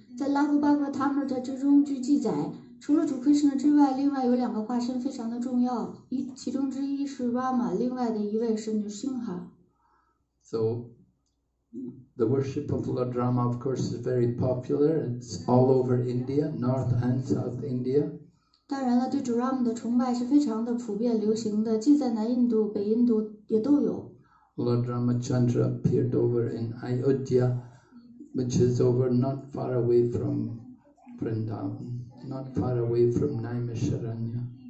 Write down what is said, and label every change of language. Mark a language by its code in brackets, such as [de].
[zh] 在Lagu Bhagavatamrita之中据记载，除了主Krishna之外，另外有两个化身非常的重要，其中之一是Rama，另外的一位是Narsingha。 [en] So the worship of Lord Rama, of course, is very popular. It's all over India, North and South India. [zh] 当然了，对主Rama的崇拜是非常的普遍流行的，既在南印度、北印度也都有。 [en] Lord Ramachandra appeared over in Ayodhya, which is over not far away from Vrindavan, not far away from Naimisharanya.